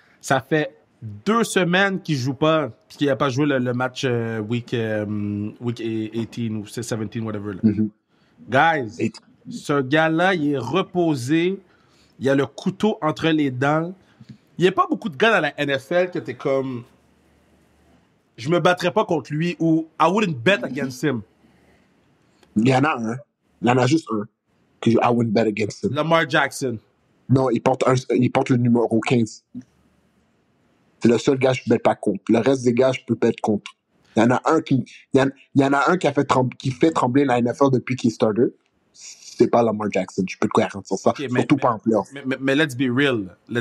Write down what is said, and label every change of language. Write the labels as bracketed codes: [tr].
[fr] Ça fait 2 semaines qu'il joue pas, puis qu'il n'a pas joué le match week 18 ou 17, [en] whatever, [fr] là. [en] Guys, [fr] ce gars-là, il est reposé. Il a le couteau entre les dents. Il n'y a pas beaucoup de gars dans la NFL que tu es comme. Je me battrais pas contre lui ou [en] I wouldn't bet against him. [fr] Il y en a un. Il y en a juste un. Que je, [en] I wouldn't bet against him. [fr] Lamar Jackson. Non, il porte le numéro 15. C'est le seul gars que je ne bet pas contre. Le reste des gars, je peux bet contre. Il y en a un qui. Il y en a un qui a fait trembler, la NFL depuis qu'il est starter. C'est pas Lamar Jackson, je peux te garantir ça. Okay, surtout pas en playoff. Mais [en] let's be real.